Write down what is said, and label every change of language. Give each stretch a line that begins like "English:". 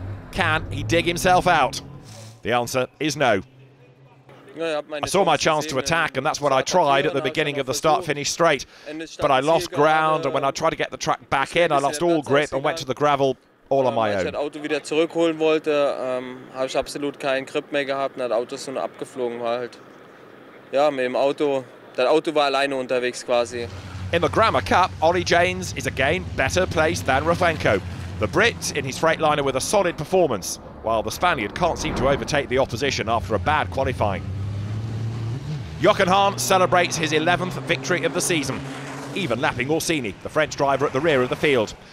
English: Can he dig himself out? The answer is no. I saw my chance to attack, and that's what I tried at the beginning of the start-finish straight. But I lost ground, and when I tried to get the track back in, I lost all grip and went to the gravel all on my own.
German: Auto wieder zurückholen wollte, habe ich absolut keinen Grip mehr gehabt und das Auto ist nur abgeflogen halt. Ja, mit dem Auto, das Auto war alleine unterwegs quasi.
English: In the Grammar Cup, Ollie Janes is again better placed than Rafenko. The Brit in his Freightliner with a solid performance, while the Spaniard can't seem to overtake the opposition after a bad qualifying. Jochen Hahn celebrates his 11th victory of the season, even lapping Orsini, the French driver at the rear of the field.